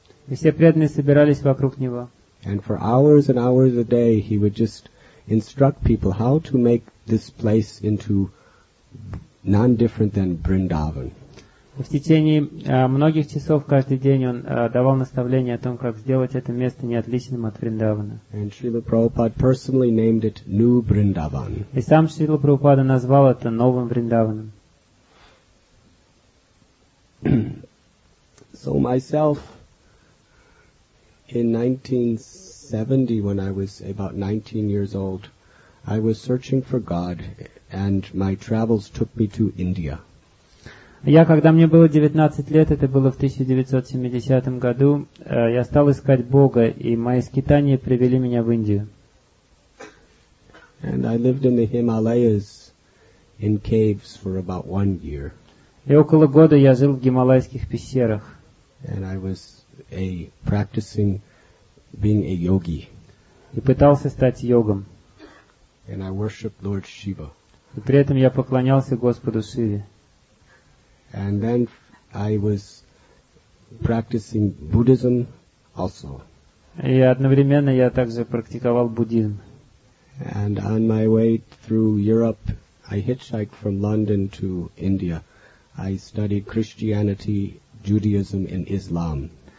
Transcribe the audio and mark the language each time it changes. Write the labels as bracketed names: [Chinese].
[Russian] И все преданные собирались вокруг него. [English] And for hours and hours a day he would just instruct people how to make this place into non-different than Vrindavan. [Russian] И в течение многих часов каждый день он давал наставления о том, как сделать это место неотличным от Вриндавана. [English] And Srila Prabhupada personally named it New Vrindavan. [Russian] И сам Srila Prabhupada назвал это новым Вриндаваном. [English] So myself, in 1970, when I was about 19 years old, I was searching for God, and my travels took me to India. [Russian] Я, когда мне было 19 лет, это было в 1970 году, я стал искать Бога, и мои скитания привели меня в Индию. [English] And I lived in the Himalayas, in caves, for about 1 year. [Russian] И около года я жил в гималайских пещерах. [English] And I was a practicing, being a yogi. [Russian] И пытался стать йогом. [English] And I worshiped Lord Shiva. [Russian] И при этом я поклонялся Господу Шиве. [English] And then I was practicing Buddhism also. [Russian] И одновременно я также практиковал буддизм. [English] And on my way through Europe, I hitchhiked from London to India. I studied Christianity, Judaism, and Islam.